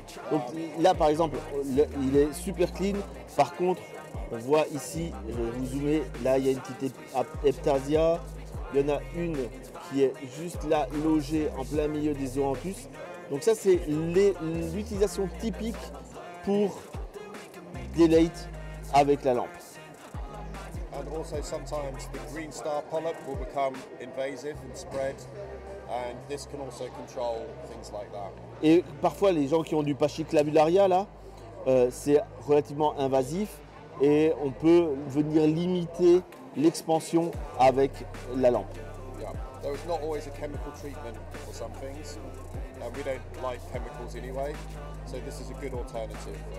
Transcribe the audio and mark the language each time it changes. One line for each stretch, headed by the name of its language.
French: Donc là par exemple, il est super clean, par contre on voit ici, je vais vous zoomer, là il y a une petite Aptasia, il y en a une qui est juste là logée en plein milieu des Oranthus. Donc ça c'est l'utilisation typique pour des lights avec la lampe.
English: And also sometimes the green star polyp will become invasive and spread. And this can also control things like that.
French: Et parfois les gens qui ont du pachyclavularia là, c'est relativement invasif et on peut venir limiter l'expansion avec la lampe.
English: Yeah. There is not always a chemical treatment for some things. And we don't like chemicals anyway. So this is a good alternative.